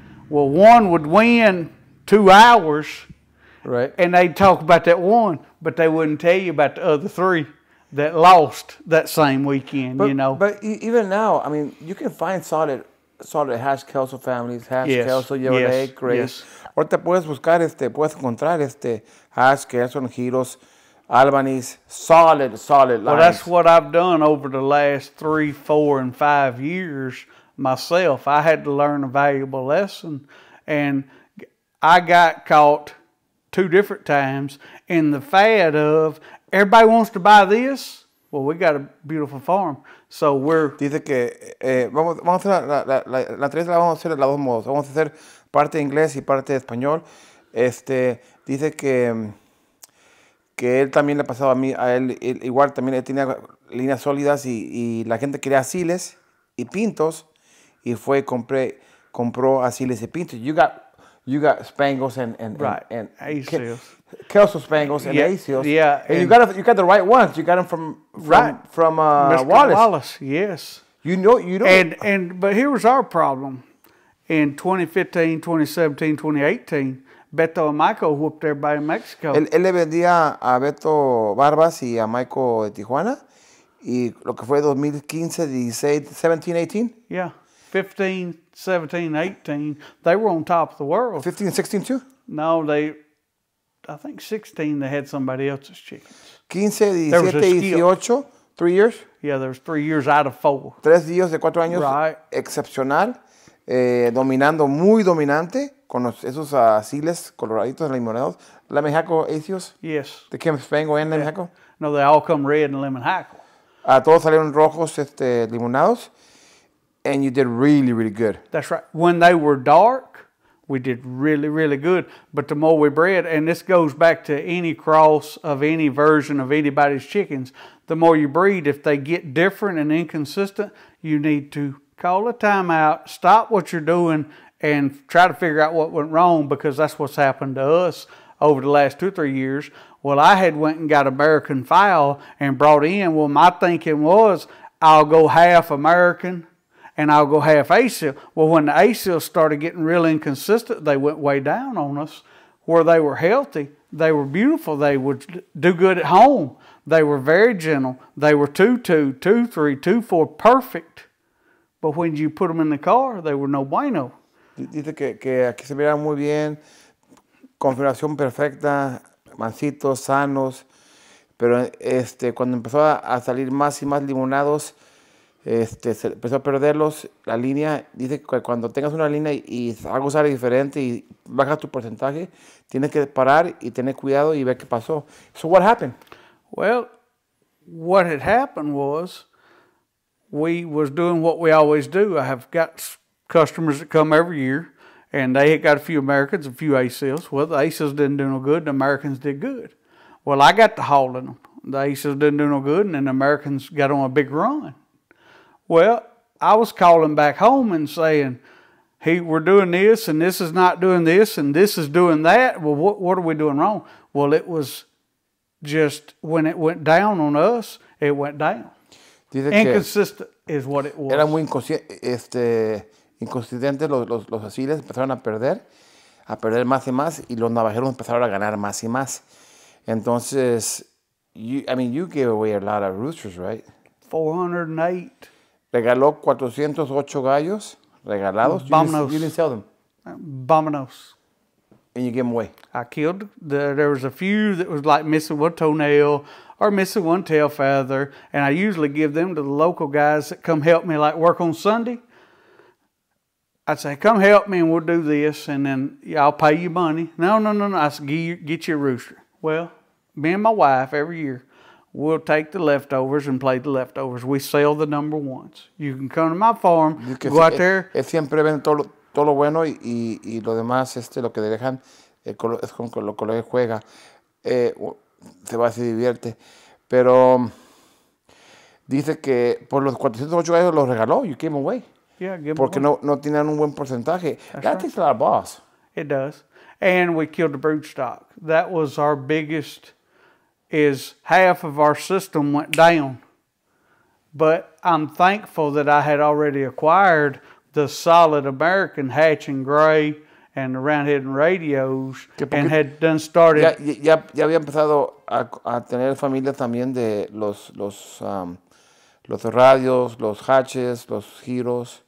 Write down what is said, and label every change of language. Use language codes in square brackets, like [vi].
[en] Well, one would win 2 hours, right? And they'd talk about that one, but they wouldn't tell you about the other three that lost that same weekend, but, you know. But even now, I mean, you can find solid hash Kelso families, hash yes. Kelso, Yolay, yes. Grace. Yes. [es] Or te puedes buscar puedes encontrar hash Kelso, Giros, Albanese, solid lines. [en] Well, that's what I've done over the last 3, 4, and 5 years myself. I had to learn a valuable lesson, and I got caught 2 different times in the fad of, everybody wants to buy this. Well, we got a beautiful farm, so we're. [es] Dice que vamos a hacer la entrevista la vamos a hacer de los dos modos. Vamos a hacer parte inglés y parte español. Dice que él también le ha pasado a mí a él igual también él tenía líneas sólidas y la gente quería asiles y pintos y fue compró asiles y pintos. [en] You got spangles and asiles. Kelso Spangles and yeah, Asios. Yeah. And you got the right ones. You got them from Mr. Wallace. Yes. You know. And but here was our problem. in 2015, 2017, 2018, Beto and Michael whooped everybody in Mexico. [es] Él le vendía a Beto Barbas y a Michael de Tijuana. Y lo que fue 2015, 2017, 2018? [en] Yeah. 15, 17, 18. They were on top of the world. 15 and 16 too? No, they... I think 16, they had somebody else's chickens. 15, 17, 18, 3 years? Yeah, there was 3 years out of four. [es] Tres días de cuatro años. [en] Right. [es] Excepcional. Dominando, muy dominante, con esos siles coloraditos, limonados. [en] Lemon hackle, acios? Yes. ¿De Kim Spango and lemon hackle? No, they all come red and lemon hackle. [es] Todos salieron rojos, limonados. [en] And you did really, really good. That's right. When they were dark, we did really, really good. But the more we bred, and this goes back to any cross of any version of anybody's chickens, the more you breed, if they get different and inconsistent, you need to call a timeout, stop what you're doing, and try to figure out what went wrong, because that's what's happened to us over the last two or three years. Well, I had went and got American fowl and brought in. Well, my thinking was, I'll go half American and I'll go half acil. Well, when the acil started getting real inconsistent, they went way down on us. Where they were healthy, they were beautiful. They would do good at home. They were very gentle. They were 2-2, 2-3, 2-4, perfect. But when you put them in the car, they were no bueno. [es] Dice que aquí se miraba muy bien, configuración perfecta, mansitos, sanos. Pero cuando empezó a salir más y más limonados, se empezó a perderlos, la línea. Dice que cuando tengas una línea y algo sale diferente y bajas tu porcentaje, tienes que parar y tener cuidado y ver qué pasó. [en] So what happened? Well, what had happened was we was doing what we always do. I have got customers that come every year, and they had got a few Americans, a few ACLs. Well, the ACLs didn't do no good, the Americans did good. Well, I got to hauling them. The ACLs didn't do no good, and then the Americans got on a big run. Well, I was calling back home and saying, hey, we're doing this, and this is not doing this, and this is doing that. Well, what are we doing wrong? Well, it was just when it went down on us, it went down. [es] Dice [en] inconsistent is what it was. [es] Era muy inconsistente, los asiles empezaron a perder más y más, y los navajeros empezaron a ganar más y más. [en] Entonces, you gave away a lot of roosters, right? 408. [es] Regaló 408 gallos regalados. Bominos. [en] You didn't sell them. Bominos. And you gave them away. I killed. There was a few that was like missing one toenail or missing one tail feather. And I usually give them to the local guys that come help me, like work on Sunday. I'd say, come help me and we'll do this. And then I'll pay you money. No. I said, get you a rooster. Well, me and my wife every year, we'll take the leftovers and play the leftovers. We sell the number ones. You can come to my farm, go out there. [es] Es siempre ven todo lo bueno y lo demás, lo que dejan, es con lo que juega. Se va, se divierte. Pero dice que por los 408 gallos los regaló. [en] You came away. Yeah, give [es] porque [en] them away. [es] No tenían un buen porcentaje. [en] That takes a lot of balls. It does. And we killed the broodstock. That was our biggest... is half of our system went down. But I'm thankful that I had already acquired the solid American Hatch and Gray and the Roundhead and Radios and had done started. [es] Ya había empezado a tener familia también de los radios, los hatches, los giros.